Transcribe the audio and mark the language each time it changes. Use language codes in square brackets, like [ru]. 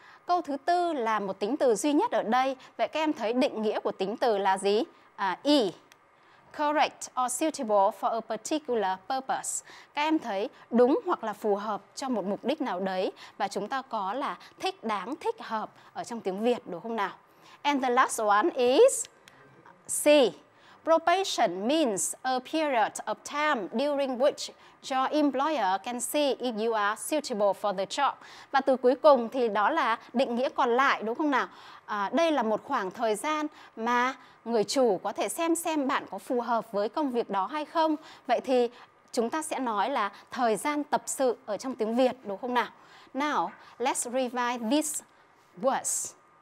[vi] Câu thứ 4 là một tính từ duy nhất ở đây. Vậy các em thấy định nghĩa của tính từ là gì? [en] E, correct or suitable for a particular purpose. [vi] Các em thấy đúng hoặc là phù hợp cho một mục đích nào đấy. Và chúng ta có là thích đáng, thích hợp ở trong tiếng Việt, đúng không nào? [en] And the last one is C. Probation means a period of time during which your employer can see if you are suitable for the job. [vi] Và từ cuối cùng thì đó là định nghĩa còn lại, đúng không nào? Đây là một khoảng thời gian mà người chủ có thể xem bạn có phù hợp với công việc đó hay không. Vậy thì chúng ta sẽ nói là thời gian tập sự ở trong tiếng Việt, đúng không nào? [en] Now, let's revise these words.